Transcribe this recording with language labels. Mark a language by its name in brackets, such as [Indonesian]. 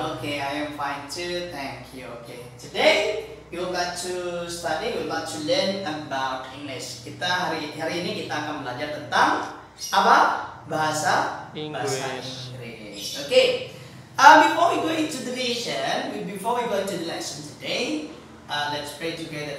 [English] Okay, I am fine too, thank you. Okay, today we're going to study, we're going to learn about English. [Indonesian] Kita hari ini kita akan belajar tentang apa? Bahasa [English] English. Okay. Before we go into the lesson, before we go into the lesson today, let's pray together.